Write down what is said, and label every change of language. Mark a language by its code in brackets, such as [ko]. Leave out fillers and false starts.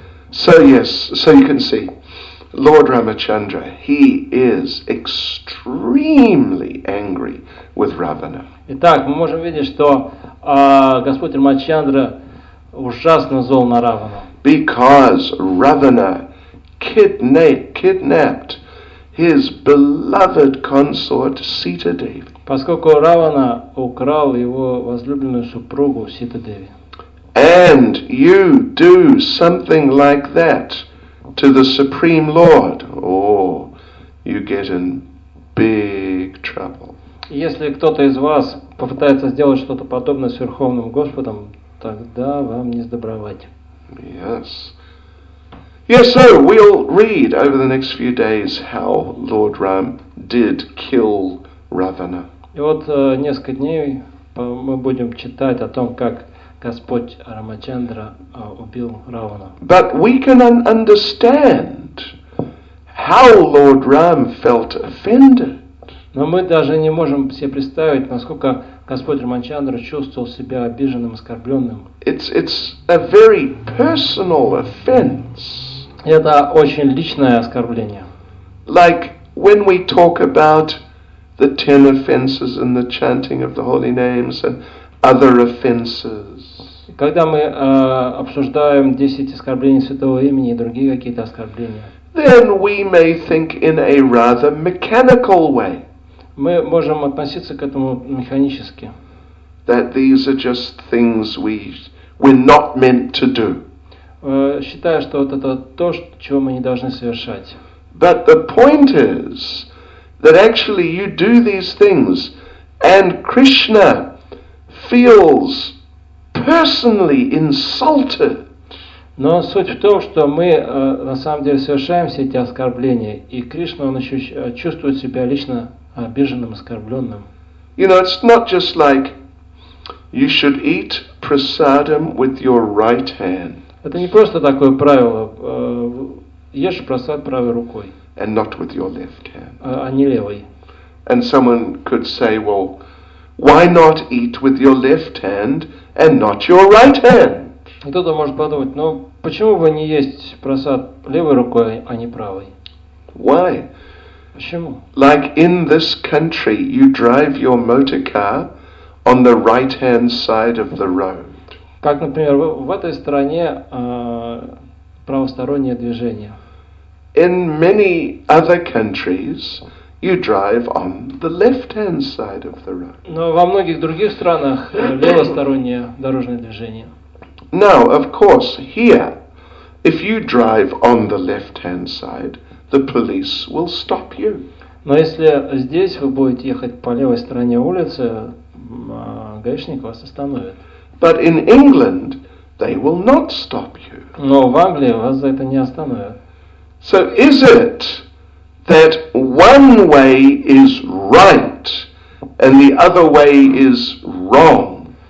[en] So yes, so you can see, Lord Ramachandra, he is extremely angry with Ravana. [ru] Итак, мы можем видеть, что Господь Рамачандра ужасно зол на Равану. [en] Because Ravana kidnapped his beloved consort Sita Devi. [ru] Поскольку Равана украл его возлюбленную супругу Сита Деви. [en] And you do something like that to the Supreme Lord, or you get in big trouble. [ru] Если кто-то из вас попытается сделать что-то подобное с Верховным Господом, тогда вам не сдобровать. [en] Yes. Yes, so we'll read over the next few days how Lord Ram did kill Ravana. [ru] И вот несколько дней мы будем читать о том, как Господь Рамачандра убил Равана. [en] But we can understand how Lord Ram felt offended. [ru] Но мы даже не можем себе представить, насколько Господь Рамачандра чувствовал себя обиженным, оскорбленным. [en] It's a very personal offense. [ru] Это очень личное оскорбление. [en] Like when we talk about the 10 offenses and the chanting of the holy names and other offenses. [ru] Когда мы обсуждаем 10 оскорблений святого имени и другие какие-то оскорбления. [en] Then we may think in a rather mechanical way. [ru] Мы можем относиться к этому механически. [en] That these are just things we're not meant to do. [ru] Считаю, что вот это то, чего мы не должны совершать. [en] But the point is that actually you do these things and Krishna feels personally insulted. [ru] Но суть в том, что мы на самом деле совершаем все эти оскорбления, и Кришна он еще чувствует себя лично обиженным, оскорбленным. [en] You know, it's not just like you should eat prasadam with your right hand. [ru] Это не просто такое правило. Ешь прасад правой рукой. [en] And not with your left hand. [ru] А не левой. [en] And someone could say, well, why not eat with your left hand and not your right hand? [ru] Кто-то может подумать, ну почему бы не есть просад левой рукой, а не правой? [en] Why? [ru] Почему? [en] Like in this country, you drive your motor car on the right-hand side of the road. [ru] Как, например, в этой стране правостороннее движение. [en] In many other countries, you drive on the left-hand side of the road. [ru] Но во многих других странах левостороннее дорожное движение. [en] Now, of course, here, if you drive on the left-hand side, the police will stop you. [ru] Но если здесь вы будете ехать по левой стороне улицы, гаишник вас остановит. [en] But in England, they will not stop you. [ru] Но в Англии вас за это не остановят. [en] So is it that one way is right and the other way is wrong?